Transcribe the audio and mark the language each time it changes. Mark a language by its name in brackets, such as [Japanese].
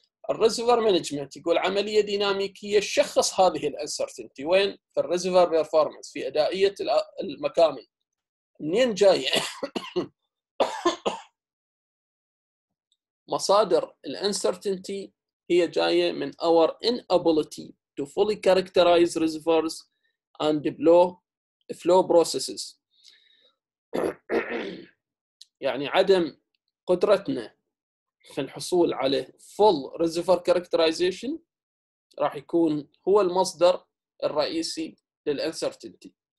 [Arabic] الريزيفر مانجمنت يقول عملية دينامية تشخص هذه الانسرتينتي, وين في الريزيفر بيرفورمانس, في أدائية المكامن, منين جاي مصادر الانسرتينتي. هي جاية من [English] our inability to fully characterize reservoirs and flow processes. [Arabic] يعني عدم قدرتنا في الحصول على full reservoir characterization راح يكون هو المصدر الرئيسي للـ uncertainty.